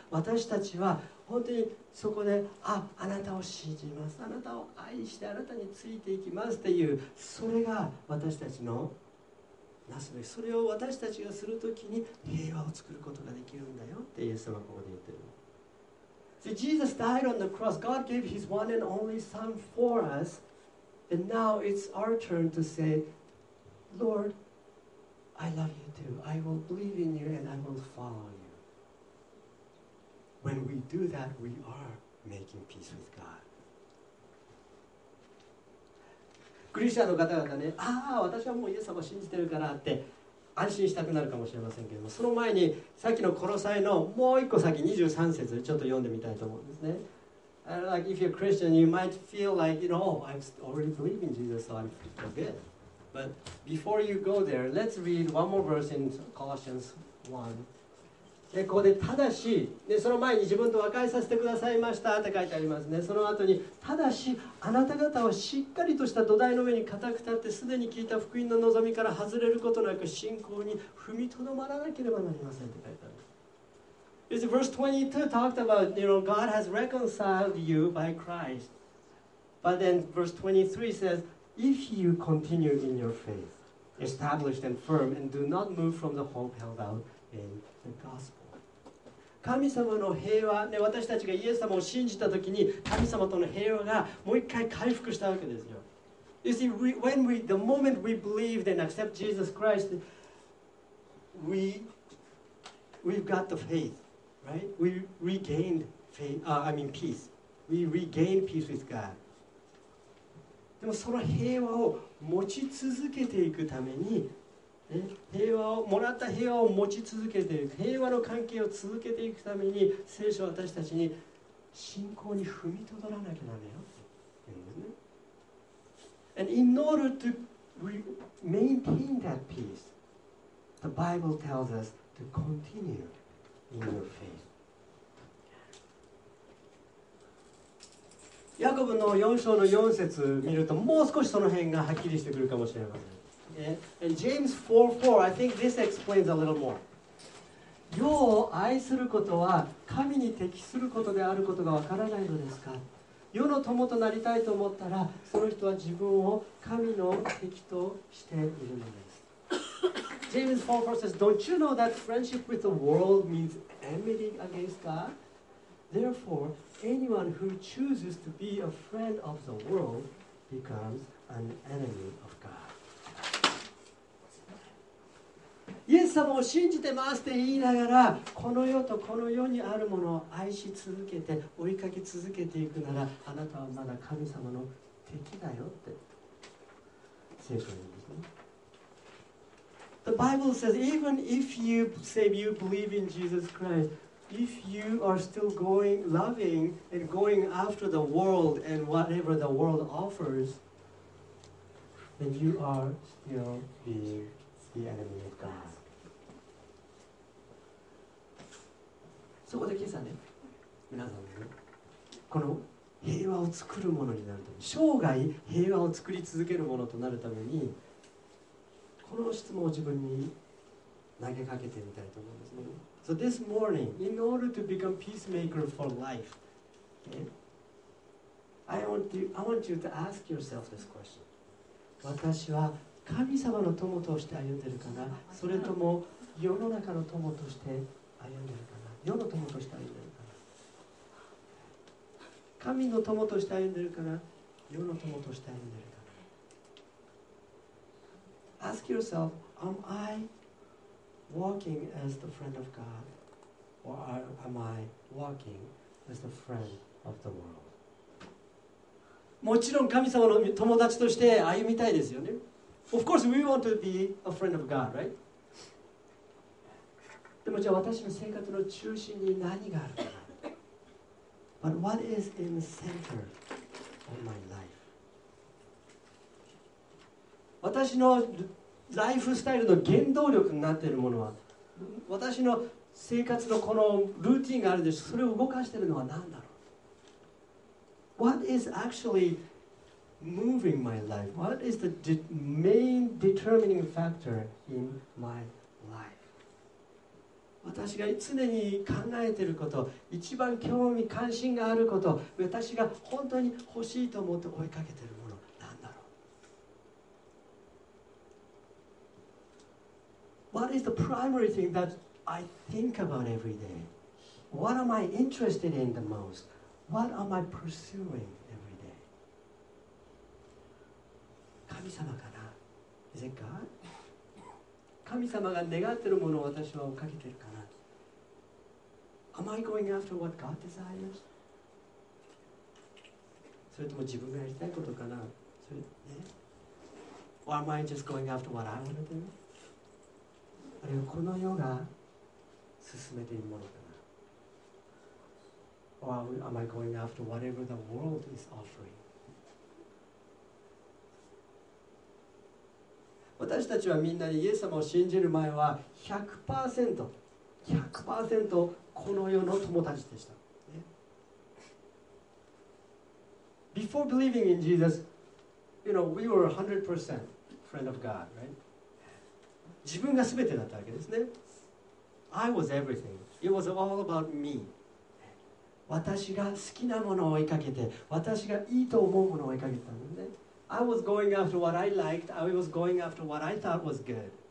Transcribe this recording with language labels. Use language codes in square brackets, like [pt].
[ja] 私たちは本当にそこで、あなたを信じます、あなたを愛してあなたについていきますっていう、それが私たちのなすべき。それを私たちがするときに平和を作ることができるんだよってイエス様はここで言ってる。 [en] See, Jesus died on the cross. God gave His one and only Son for us. And now it's our turn to say, Lord, I love you too. I will believe in you and I will follow you. When we do that, we are making peace with God. [ja] クリスチャンの方々ね、私はもうイエス様を信じてるからって安心したくなるかもしれませんけれども、その前にさっきのコロサイのもう一個先、23節ちょっと読んでみたいと思うんですね。 [en] Like if you're a Christian, you might feel like, you know, I'm already believing Jesus, so I'm good. But before you go there, let's read one more verse in Colossians 1. [ja] で、ここでただし、でその前に自分と和解させてくださいましたって書いてありますね。その後に、ただしあなた方をしっかりとした土台の上に固く立って、すでに聞いた福音の望みから外れることなく信仰に踏みとどまらなければなりませんって書いてある。 [en] It's verse 22 talked about, you know, God has reconciled you by Christ. But then verse 23 says, if you continue in your faith, established and firm, and do not move from the hope held out in the gospel. [ja] 神様の平和、ね、私たちがイエス様を信じたときに、神様との平和がもう一回回復したわけですよ。 [en] You see, when we, the moment we believed and accept Jesus Christ, we've got the faith, right? We regained faith, peace. We regained peace with God. [ja] でもその平和を持ち続けていくために、平和をもらった平和を持ち続けていく、平和の関係を続けていくために、聖書は私たちに信仰に踏みとどらなきゃダメよ。 [en] And in order to maintain that peace, the Bible tells us to continue in your faith. [ja] ヤコブの4章の4節見ると、もう少しその辺がはっきりしてくるかもしれません。 [en] And James 4:4, I think this explains a little more. [ja] 世を愛することは神に敵することであることがわからないのですか。世の友となりたいと思ったら、その人は自分を神の敵としているのです。 [en] James 4:4 says, Don't you know that friendship with the world means enmity against God? Therefore, anyone who chooses to be a friend of the world becomes an enemy of God. [ja] イエス様を信じてますって言いながら、この世とこの世にあるものを愛し続けて追いかけ続けていくなら、あなたはまだ神様の敵だよって聖書に言うんですね。 [en] The Bible says even if you say you believe in Jesus Christ, if you are still going loving and going after the world and whatever the world offers, then you are still beingThe enemy of God. [ja] そこで今朝ね、皆さんね、この平和を作るものになるために、生涯平和を作り続けるものとなるために、この質問を自分に投げかけてみたいと思うんですね。 [en] So this morning, in order to become peacemaker for life, I want you to ask yourself this question. [ja] 私は神様の友として歩んでるかな、それとも世の中の友として歩んでるかな、世の友として歩んでるかな、神の友として歩んでるかな、世の友として歩んでるかな。 [en] Ask yourself, am I walking as the friend of God, or am I walking as the friend of the world? [ja] もちろん神様の友達として歩みたいですよね。 [en] Of course, we want to be a friend of God, right? [ja] でもじゃあ私の生活の中心に何があるかな。 [en] But what is in the center of my life? [ja] 私のライフスタイルの原動力になっているものは、私の生活のこのルーティンがあるでしょ、それを動かしているのは何だろう。 [en] What is actually moving my life? What is the main determining factor in my life? [ja] 私が常に考えていること、一番興味関心があること、私が本当に欲しいと思って追いかけているもの、 [en] What is the primary thing that I think about every day? What am I interested in the most? What am I pursuing every day? [ja] 神様かな? [en] Is it God? [ja] 神様が願っているものを私は追いかけているかな? [en] Am I going after what God desires? [ja] それとも自分がやりたいことかな? それ、ね? [en] Or am I just going after what I want to do? [ja] あるいはこの世が進めているものかな。 [en] Or am I going after whatever the world is offering? [ja] 私たちはみんなにイエス様を信じる前は 100% この世の友達でした。 [en] Before believing in Jesus, you know, we were 100% friend of God, right? [ja] 自分が全てだったわけですね。 [en] I was everything. It was all about me. [ja] 私が好きなものを追いかけて、私がいいと思うものを追いかけてたんだね。 [en] I was going after what I liked. I was going after what I thought was good.